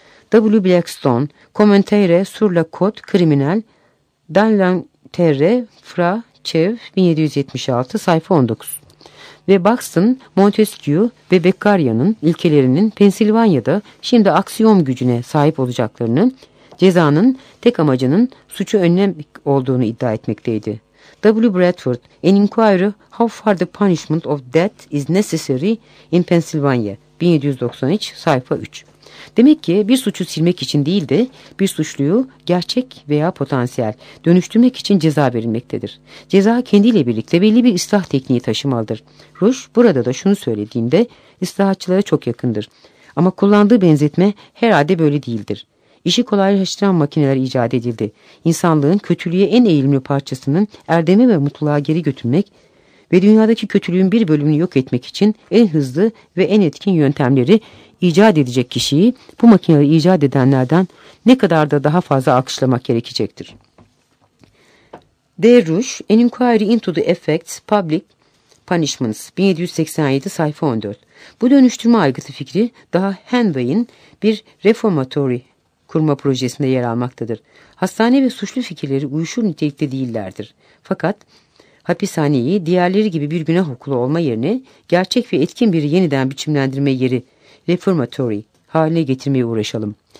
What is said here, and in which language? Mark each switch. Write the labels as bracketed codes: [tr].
[fr] W. Blackstone, Commentaire sur le Code Criminel dans l'Angleterre, Fra Chev, 1776, [tr] sayfa 19. Ve Buxton, Montesquieu ve Beccaria'nın ilkelerinin Pensilvanya'da şimdi aksiyom gücüne sahip olacaklarını, cezanın tek amacının suçu önlemek olduğunu iddia etmekteydi. W. [en] Bradford, An Inquiry How Far the Punishment of Death is Necessary in Pennsylvania, 1793, [tr] sayfa 3. Demek ki bir suçu silmek için değil de bir suçluyu gerçek veya potansiyel dönüştürmek için ceza verilmektedir. Ceza kendiyle birlikte belli bir ıslah tekniği taşımalıdır. Rush burada da şunu söylediğinde ıslahçılara çok yakındır. Ama kullandığı benzetme herhalde böyle değildir. İşi kolaylaştıran makineler icat edildi. İnsanlığın kötülüğe en eğilimli parçasının erdeme ve mutluluğa geri götürmek ve dünyadaki kötülüğün bir bölümünü yok etmek için en hızlı ve en etkin yöntemleri icat edecek kişiyi bu makineleri icat edenlerden ne kadar da daha fazla alkışlamak gerekecektir. [en] Derush, An Inquiry into the Effects Public Punishments, 1787, [tr] sayfa 14. Bu dönüştürme aygıtı fikri daha Henway'in bir reformatory kurma projesinde yer almaktadır. Hastane ve suçlu fikirleri uyuşur nitelikte değillerdir. Fakat hapishaneyi diğerleri gibi bir günah okulu olma yerine gerçek ve etkin bir yeniden biçimlendirme yeri reformatory haline getirmeye uğraşalım.